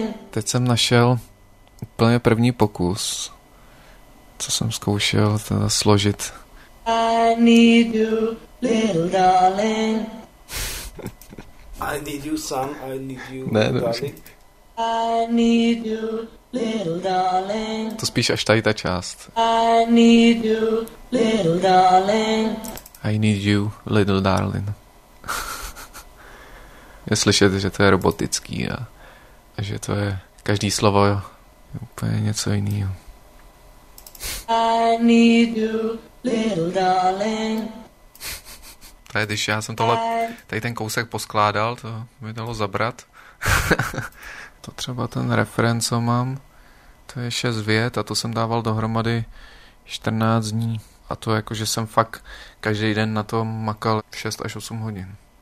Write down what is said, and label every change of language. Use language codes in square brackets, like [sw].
[cs] Teď jsem našel úplně první pokus, co jsem zkoušel teda složit. [en] I need you, little darling. I need you, son, I need you, [cs] ne, [en] darling. I need you, little darling. [cs] To spíš až tady ta část. [en] I need you, little darling. I need you, little darling. [cs] Je slyšet, že to je robotický a že to je každý slovo, jo, je úplně něco jiného. [en] I need you, little darling. [cs] Tady, když já jsem tohle, tady ten kousek poskládal, to mi dalo zabrat. To třeba ten refren, co mám, to je 6 vět a to jsem dával dohromady 14 dní. A to jako, že jsem fakt každý den na tom makal 6 až 8 hodin.